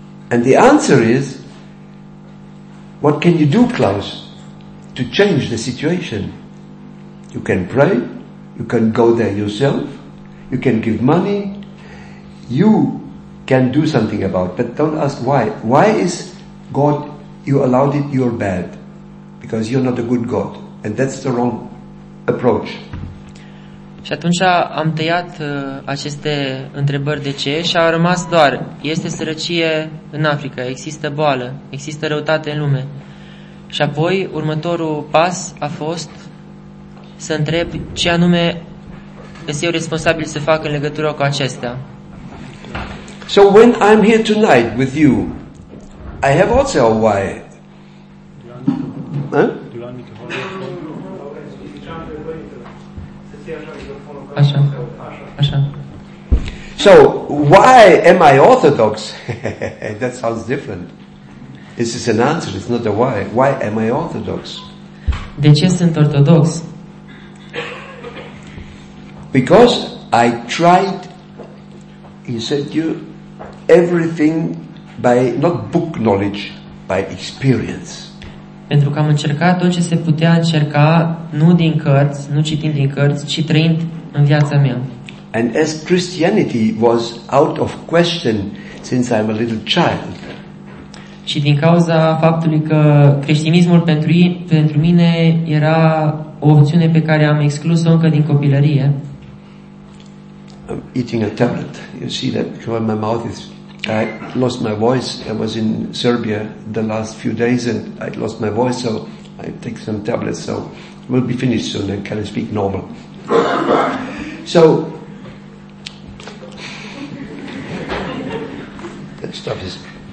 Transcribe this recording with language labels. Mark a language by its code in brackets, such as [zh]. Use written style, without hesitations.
[en] And the answer is, what can you do, Klaus, to change the situation? You can pray, you can go there yourself, you can give money, you can do something about it. But don't ask why. Why is God, you allowed it, you're bad? Because you're not a good God. And that's the wrong approach. [ro] Și atunci am tăiat aceste întrebări de ce și a rămas doar, este sărăcie în Africa, există boală, există răutate în lume. Și apoi următorul pas a fost să întreb ce anume îs eu responsabil să fac în legătură cu acestea. [en] So when I'm here tonight with you, I have also a why. [ro] Așa. [en] So, why am I Orthodox? That sounds different. This is an answer, it's not a why. Why am I Orthodox? [ro] De ce sunt ortodox? [en] Because I tried, he said you, everything by, not book knowledge, by experience. [ro] Pentru că am încercat tot ce se putea încerca, nu din cărți, nu citind din cărți, ci trăind în viața mea. [en] And as Christianity was out of question since I'm a little child. [ro] Și din cauza faptului că creștinismul pentru mine era o opțiune pe care am exclus-o încă din copilărie. [en] I'm eating a tablet. You see that because my mouth is, I lost my voice. I was in Serbia the last few days and I lost my voice, so I take some tablets, so We'll be finished soon and can I speak normal. So, that stuff is...